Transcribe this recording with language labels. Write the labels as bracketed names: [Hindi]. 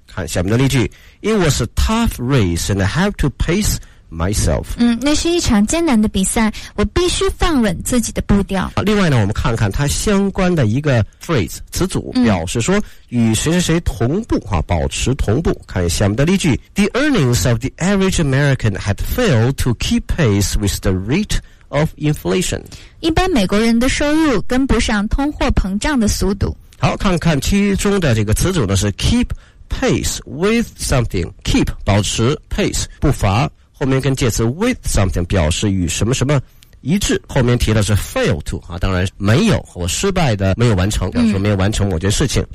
[Chinese] 看下面的例句， [English] It was a tough race and I have to pace myself。 [Chinese] 那是一场艰难的比赛，我必须放稳自己的步调。另外呢我们看看它相关的一个 phrase 词组，表示说与谁谁谁同步哈，保持同步。看下面的例句， [English] The earnings of the average American had failed to keep pace with the rate of inflation。 [Chinese] 一般美国人的收入跟不上通货膨胀的速度。好，看看其中的这个词组呢，是 [English] keep pace with something， [Chinese] keep 保持 pace 步伐，后面跟介词 with something 表示与什么什么一致，后面提的是 fail to 啊，当然没有或失败的没有完成，表示没有完成某件事情。